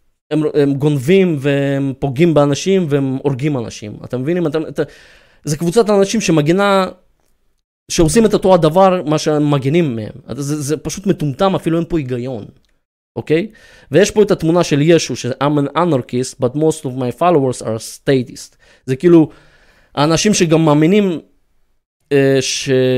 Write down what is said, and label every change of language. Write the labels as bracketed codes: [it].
[he] הם גונבים והם פוגעים באנשים והם הורגים אנשים. אתם מבינים? זה קבוצת אנשים שמגינה, שעושים את אותו הדבר, מה שהם מגינים מהם. זה פשוט מטומטם, אפילו אין פה היגיון. אוקיי? ויש פה את התמונה של ישו, [en] I'm an anarchist, but most of my followers are statist. [he] זה כאילו, האנשים שגם מאמינים ש...